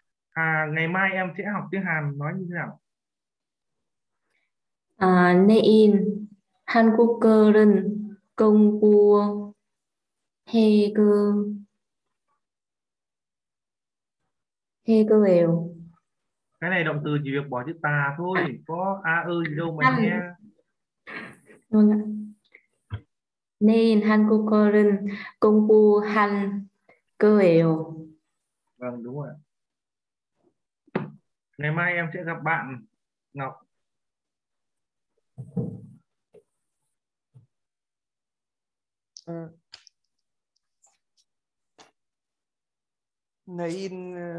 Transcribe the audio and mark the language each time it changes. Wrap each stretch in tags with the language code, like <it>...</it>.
<vi>À, ngày mai em sẽ học tiếng Hàn, nói như thế nào?</vi> <ko>À, 내일 한국어를 공부해요.</ko> <vi>Cái này động từ chỉ việc bỏ chữ ta thôi, có a ư gì đâu mà nghe.</vi> <ko>내일 한국어를 공부할 거예요.</ko> <vi>Vâng, đúng rồi. Ngày mai em sẽ gặp bạn Ngọc. Này in</vi>